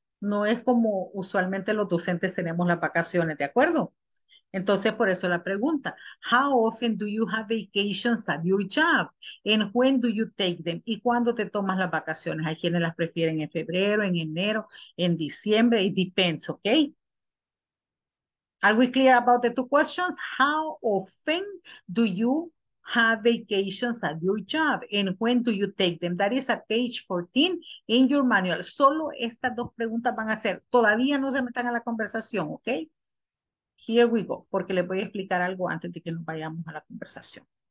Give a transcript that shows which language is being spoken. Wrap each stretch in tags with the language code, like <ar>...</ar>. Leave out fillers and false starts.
<es>No es como usualmente los docentes tenemos las vacaciones, ¿de acuerdo? Entonces, por eso la pregunta,</es> <en>how often do you have vacations at your job? And when do you take them?</en> <es>¿Y cuándo te tomas las vacaciones? Hay quienes las prefieren en febrero, en enero, en diciembre,</es> <en>it depends, okay? Are we clear about the two questions? How often do you have vacations at your job? And when do you take them? That is at page 14 in your manual.</en> <es>Solo estas dos preguntas van a ser, todavía no se metan a la conversación, okay?</es> <en>Here we go,</en> <es>porque les voy a explicar algo antes de que nos vayamos a la conversación.</es>